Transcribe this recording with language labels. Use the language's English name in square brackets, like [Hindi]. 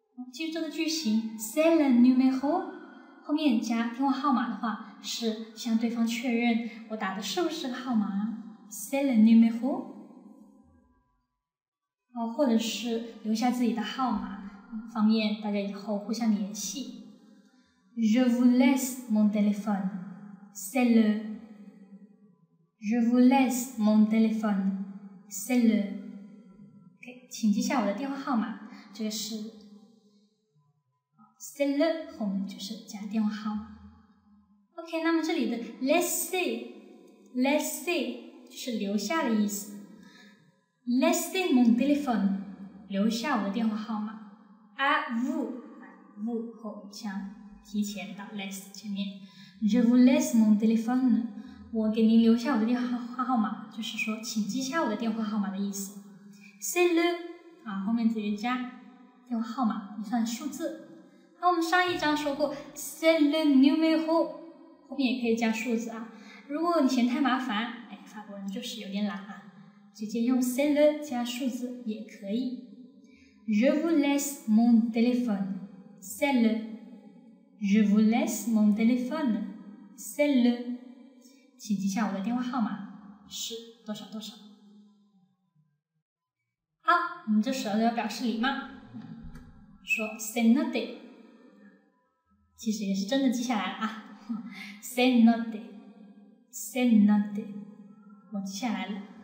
[Chinese] 记住这个句型 ， [French] c'est le numéro [Chinese] 后面加电话号码的话，是向对方确认我打的是不是个号码 ，c'est le numéro。或者是留下自己的号码，方便大家以后互相联系。 [French] Je vous laisse mon téléphone. C'est le. Je vous laisse mon téléphone. C'est le. [Chinese] OK， 请记下我的电话号码。这个是 [French] c'est le [Chinese] 后面就是加电话号码。 OK， 那么这里的 laissez 就是留下的意思。 [French] Laissez mon téléphone， [Chinese] 留下我的电话号码。 À vous 后向提前到 laisse 前面。 [French] Je vous laisse mon téléphone， [Chinese] 我给您留下我的电话号码，就是说请记下我的电话号码的意思。 [French] C'est le [Chinese] 啊，后面直接加电话号码，也算数字。那我们上一章说过 ， [French] C'est le numéro， [Chinese] 后面也可以加数字啊。如果你嫌太麻烦，法国人就是有点懒啊。直接用 [French] c'est le [Chinese] 加数字也可以。 [French] Je vous laisse mon téléphone. C'est le. Je vous laisse mon téléphone. C'est le. [Chinese] 请记下我的电话号码是多少多少。好，我们这时候要表示礼貌，说 [French] c'est noté， [Chinese] 其实也是真的记下来了啊。 [French] C'est noté. C'est noté. [Chinese] 我记下来了。